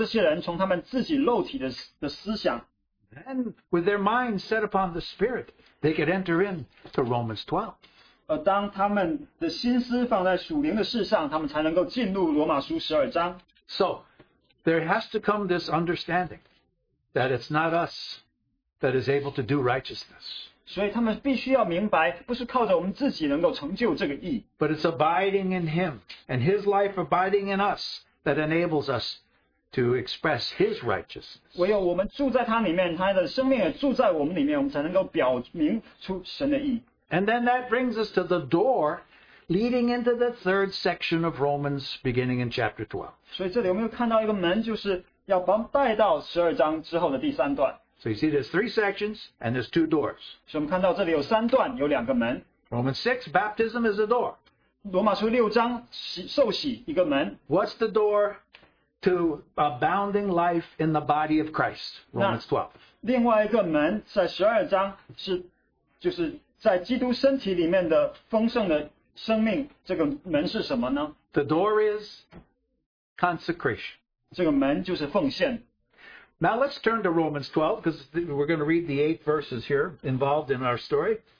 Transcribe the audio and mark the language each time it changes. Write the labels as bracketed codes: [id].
[zh] 十字架要释放这些人从他们自己肉体的思想. [en] And with their mind set upon the Spirit, they could enter into Romans 12. [zh] 而当他们的心思放在属灵的事上，他们才能够进入罗马书十二章. [en] So, there has to come this understanding that it's not us that is able to do righteousness. [zh] 所以他们必须要明白，不是靠着我们自己能够成就这个义. [en] But it's abiding in Him, and His life abiding in us, that enables us to express His righteousness. [zh] 唯有我们住在他里面, 他的生命也住在我们里面, 我们才能够表明出神的义。 [en] And then that brings us to the door leading into the third section of Romans, beginning in chapter 12. [zh] 所以这里我们又看到一个门, 就是要把我们带到12章之后的第三段。 [en] So you see there's three sections and there's two doors. [zh] 所以我们看到这里有三段, 有两个门。 [en] Romans 6, baptism is a door. [zh] 罗马书六章, 受洗, 一个门。 [en] What's the door to abounding life in the body of Christ? Romans 12. [zh] 另外一个门在12章, 就是在基督身体里面的丰盛的生命, 这个门是什么呢? [en] The door is consecration. [zh] 这个门就是奉献。 [en] Now let's turn to Romans 12, because we're going to read the eight verses here involved in our story.